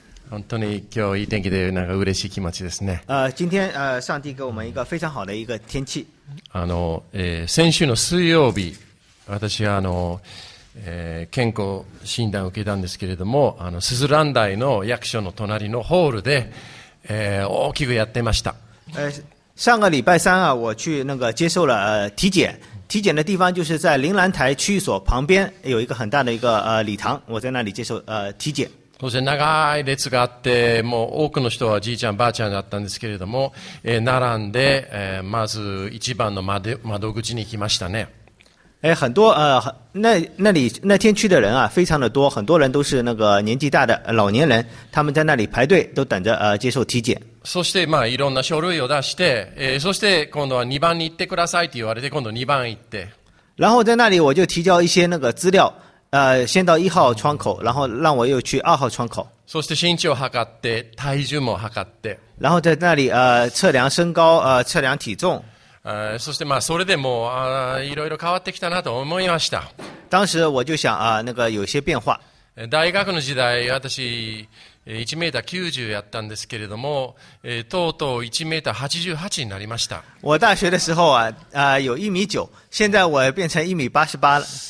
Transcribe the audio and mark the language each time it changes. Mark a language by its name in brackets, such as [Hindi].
[Japanese] 本当に今日いい天気でなんか嬉しい気持ちですね。 [Chinese] 今天上帝给我们一个非常好的一个天气。 [Japanese] 先週の水曜日、私は健康診断を受けたんですけれども、すずらん台の役所の隣のホールで、大きくやってました。 [Chinese] 上个礼拜三啊，我去那个接受了体检。体检的地方就是在铃兰台区所旁边有一个很大的一个礼堂，我在那里接受体检。 [Japanese] そして長い列があって、もう多くの人はじいちゃんばあちゃんだったんですけれども、並んで、まず一番の窓口に来ましたね。 [Chinese] 很多那里那天去的人啊，非常的多，很多人都是那个年纪大的老年人，他们在那里排队都等着接受体检。 [Japanese] そしてまあいろんな書類を出して、そして今度は2番に行ってくださいって言われて今度2番行って。 [Chinese] 然后在那里我就提交一些那个资料，先到1号窗口，然后让我又去2号窗口。 [Japanese] そして身長を測って体重も測って。 [Chinese] 然后在那里测量身高，测量体重。 [Japanese] そしてまあそれでもいろいろ変わってきたなと思いました。 [Chinese] 当时我就想那个有些变化。 [Japanese] 大学の時代私1メーター90やったんですけれども、とうとう1メーター88になりました。 [Chinese] 我大学的时候啊，有一米九，现在我变成一米88了。